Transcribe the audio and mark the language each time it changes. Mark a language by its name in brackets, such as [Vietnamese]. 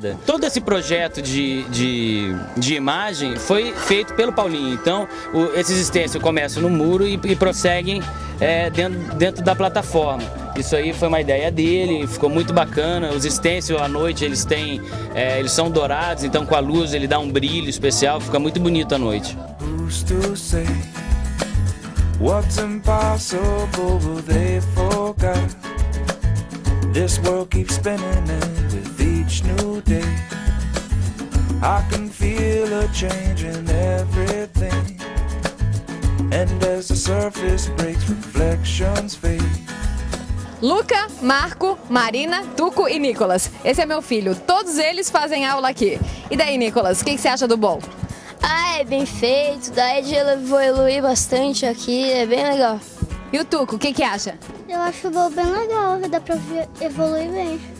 [Portuguese] Todo esse projeto de imagem foi feito pelo Paulinho, então esses stencils começam no muro e prosseguem dentro da plataforma. Isso aí foi uma ideia dele, ficou muito bacana. Os stencils à noite eles são dourados, então com a luz ele dá um brilho especial, fica muito bonito à noite. [English] Who's to say what's impossible, they forgot. This world keeps spinning and with each new day I can feel a change in everything. And as the surface breaks, reflections fade. [Portuguese] Luca, Marco, Marina, Tuco e Nicolas. Esse é meu filho. Todos eles fazem aula aqui. E daí, Nicolas, o que você acha do bowl? Ah, é bem feito. Daí eu vou evoluir bastante aqui. É bem legal. E o Tuco, o que você acha? Eu acho o bowl bem legal. Dá pra evoluir bem.